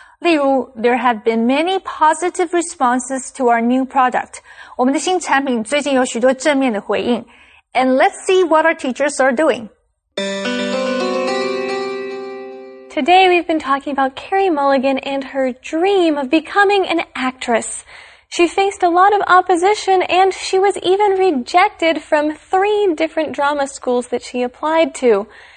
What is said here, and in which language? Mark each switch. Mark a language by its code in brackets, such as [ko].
[zh] 例如 [en] ,there have been many positive responses to our new product. [zh] 我们的新产品最近有许多正面的回应。 [en] And let's see what our teachers are doing. Today we've been talking about Kerry Mulligan and her dream of becoming an actress. She faced a lot of opposition, and she was even rejected from 3 different drama schools that she applied to.